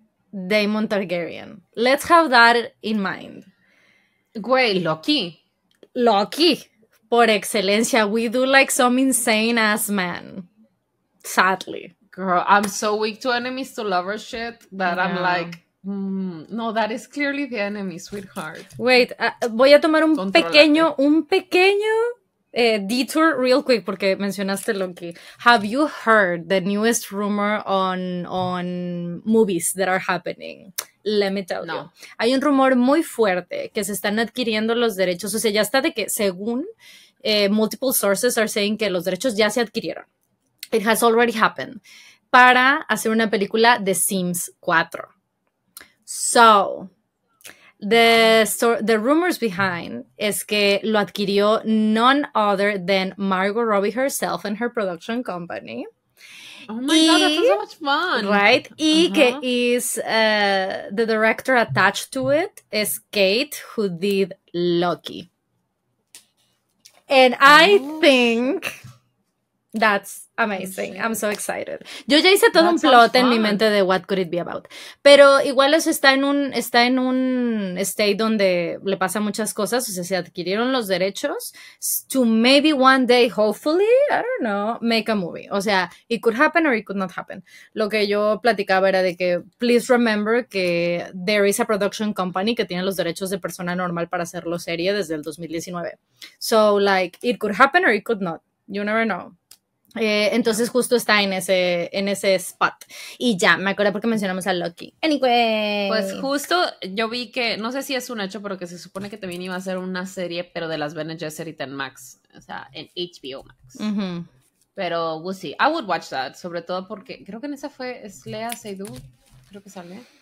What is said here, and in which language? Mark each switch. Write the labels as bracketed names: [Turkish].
[English] Daemon Targaryen. Let's have that in mind. [Spanish] Güey, Loki. [English] Loki. [Spanish] Por excelencia, [English] we do like some insane ass man. Sadly. Girl, I'm so weak to enemies to lovers shit that yeah. I'm like, no, that is clearly the enemy, sweetheart. [Spanish] Wait, voy a tomar un pequeño detour [English] real quick [Spanish] porque mencionaste Loki. [English] Have you heard the newest rumor on movies that are happening? Let me tell you. [Spanish] Hay un rumor muy fuerte que se están adquiriendo los derechos. O sea, ya está de que según [English] multiple sources are saying [Spanish] que los derechos ya se adquirieron. [English] It has already happened. [Spanish] Para hacer una película de Sims 4. [English] So... The rumors behind is [Spanish] que lo adquirió [English] none other than Margot Robbie herself and her production company. Oh my god, that's so much fun. Right? Uh-huh. [Spanish] Y que [English] is the director attached to it is Kate, who did Loki. And I think that's amazing. I'm so excited. [Spanish] Yo ya hice todo un plot en mi mente de [English] what could it be about. [Spanish] Pero igual eso está en un state donde le pasa muchas cosas. O sea, se adquirieron los derechos to maybe one day, hopefully, I don't know, make a movie. O sea, it could happen or it could not happen. Lo que yo platicaba era de que [English] please remember [Spanish] que [English] there is a production company [Spanish] que tiene los derechos de persona normal para hacerlo serie desde el 2019. [English] So, like, it could happen or it could not. You never know. [Spanish] Entonces justo está en ese spot. Y ya, me acuerdo porque mencionamos a Loki. [English] Anyway. [Spanish] Pues justo yo vi que, no sé si es un hecho, pero que se supone que también iba a ser una serie, pero de las Bene Gesserit en Max, o sea, en HBO Max. Uh-huh. Pero [English] we'll see. I would watch that, [Spanish] sobre todo porque creo que en esa es Lea Seydoux, creo que sale.